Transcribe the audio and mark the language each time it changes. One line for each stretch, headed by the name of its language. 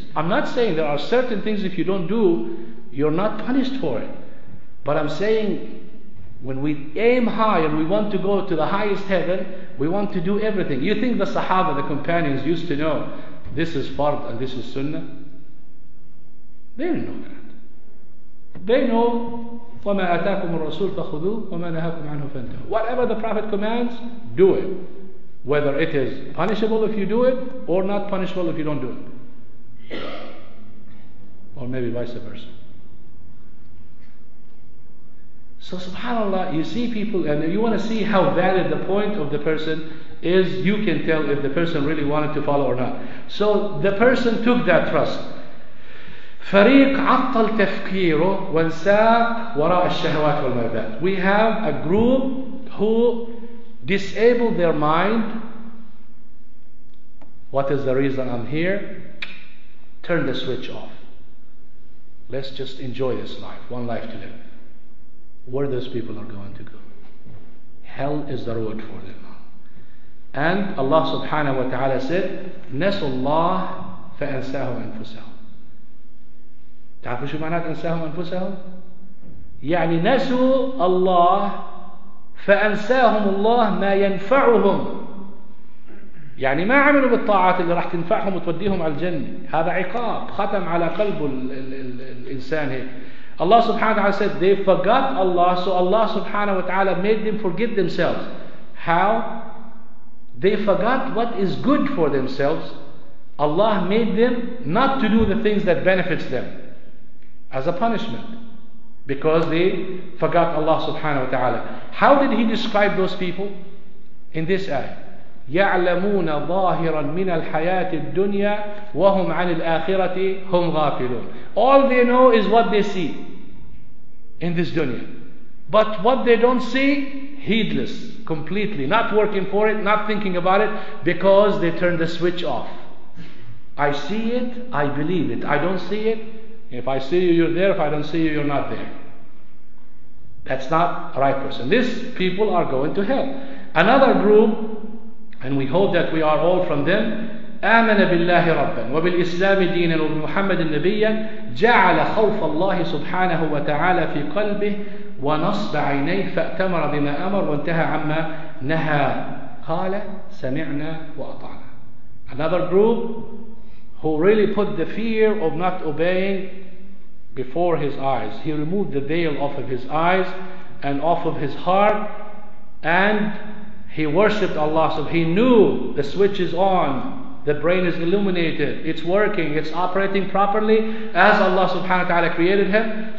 English: I'm not saying there are certain things if you don't do, you're not punished for it. But I'm saying when we aim high and we want to go to the highest heaven, we want to do everything. You think the Sahaba, the companions, used to know this is fard and this is sunnah? They didn't know that. They know,
Arabic: وَمَا أَتَاكُمُ الرَّسُولُ فَخُذُوهُ وَمَا نَهَاكُمْ عَنْهُ فَانْتَهُوا.
English: Whatever the Prophet commands, do it. Whether it is punishable if you do it or not punishable if you don't do it. Or maybe vice versa. So subhanAllah, you see people and you want to see how valid the point of the person is, you can tell if the person really wanted to follow or not. So the person took that trust.
Arabic: فريق عطل تفكيره وانساق وراء الشهوات والمرذات.
English: We have a group who disabled their mind. What is the reason I'm here? Turn the switch off. Let's just enjoy this life, one life to live. Where those people are going to go? Hell is the road for them. And Allah subhanahu wa ta'ala said,
Arabic: نسوا الله فأنساهم أنفسهم. تعرفوا شو معنات أنساهم أنفسهم؟ يعني نسوا الله فأنساهم الله ما ينفعهم. يعني ما عملوا بالطاعات اللي راح تنفعهم وتوديهم على الجنة. هذا عقاب ختم على قلب الإنسان هيك.
English: Allah subhanahu wa ta'ala said they forgot Allah, so Allah subhanahu wa ta'ala made them forget themselves. How? They forgot what is good for themselves. Allah made them not to do the things that benefits them as a punishment because they forgot Allah subhanahu wa ta'ala. How did he describe those people? In this ayah,
Arabic: يَعْلَمُونَ ظَاهِرًا مِنَ الْحَيَاةِ الدُّنْيَا وَهُمْ عَنِ الْآخِرَةِ هُمْ غَافِلُونَ.
English: All they know is what they see in this dunya. But what they don't see, heedless, completely. Not working for it, not thinking about it, because they turn the switch off. I see it, I believe it. I don't see it, if I see you, you're there. If I don't see you, you're not there. That's not a right person. These people are going to hell. Another group, and we hope that we are all from them.
Arabic: آمن بالله ربا وبالإسلام دينا وبمحمد النبي جعل خوف الله سبحانه وتعالى في قلبه ونصب عينيه فأتمر بما أمر وانتهى عما نهى قال سمعنا وأطعنا.
English: Another group who really put the fear of not obeying before his eyes. He removed the veil off of his eyes and off of his heart, and he worshipped Allah. So he knew the switch is on, the brain is illuminated, it's working, it's operating properly as Allah subhanahu wa ta'ala created him.